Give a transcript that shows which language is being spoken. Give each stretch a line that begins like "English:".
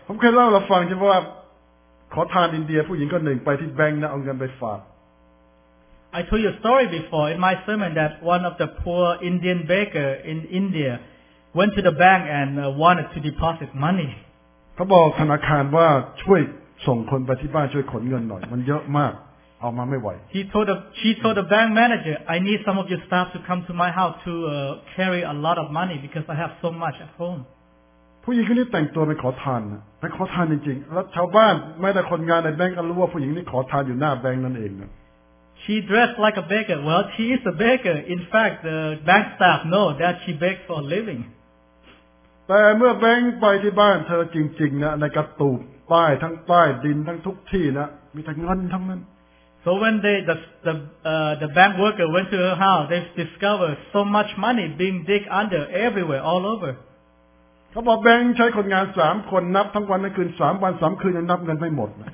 Thai: ผมเคยเล่าเราฟังใช่ไหมว่าขอทานอินเดียผู้หญิงคนหนึ่งไปที่แบงก์นะเอาเงินไปฝาก
English: I told you a story before in my sermon that one of the poor Indian baker in India went to the bank and wanted to deposit money.
Thai: เขาบอกธนาคารว่าช่วยส่งคนไปที่บ้านช่วยขนเงินหน่อยมันเยอะมากเอามาไม่ไหว
English: She told the bank manager, "I need some of your staff to come to my house to carry a lot of money because I have so much at home."
Thai: ผู้หญิงคนนี้แต่งตัวเป็นขอทานนะเป็นขอทานจริงๆแล้วชาวบ้านไม่แต่คนงานในแบงก์ก็รู้ว่าผู้หญิงนี้ขอทานอยู่หน้าแบงก์นั่นเองนะ
English: She dressed like a beggar. Well, she is a beggar. In fact, the bank staff know that she begs for a living.
Thai: แต่เมื่อแบงค์ไปที่บ้านเธอจริงๆนะในกระตูบใต้ทั้งใต้ดินทั้งทุกที่นะมีแต่เงินทั้งนั้น
English: So So when the bank worker went to her house, they discovered so much money being digged under everywhere, all over.
Thai: เขาบอกแบงค์ใช้คนงาน3คนนับทั้งวันทั้งคืน3วัน3คืนยังนับเงินไม่หมด